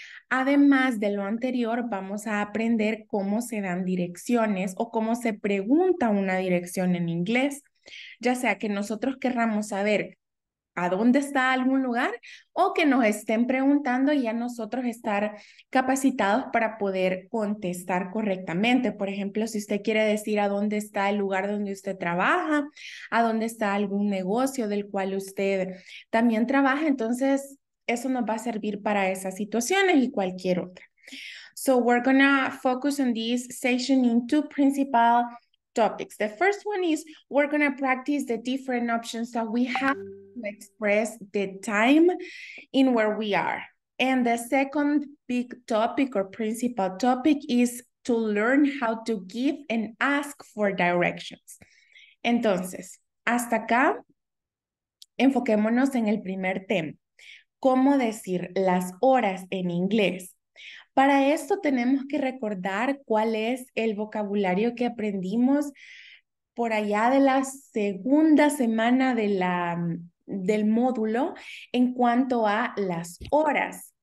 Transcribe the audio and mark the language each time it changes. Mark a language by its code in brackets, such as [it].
[es] Además de lo anterior, vamos a aprender cómo se dan direcciones o cómo se pregunta una dirección en inglés, ya sea que nosotros querramos saber a dónde está algún lugar o que nos estén preguntando y ya nosotros estar capacitados para poder contestar correctamente. Por ejemplo, si usted quiere decir a dónde está el lugar donde usted trabaja, a dónde está algún negocio del cual usted también trabaja, entonces eso nos va a servir para esas situaciones y cualquier otra. [en] So we're gonna focus on this session in two principal topics. The first one is we're gonna practice the different options that we have to express the time in where we are. And the second big topic or principal topic is to learn how to give and ask for directions. [es] Entonces, hasta acá, enfoquémonos en el primer tema. ¿Cómo decir las horas en inglés? Para esto tenemos que recordar cuál es el vocabulario que aprendimos por allá de la segunda semana de del módulo en cuanto a las horas.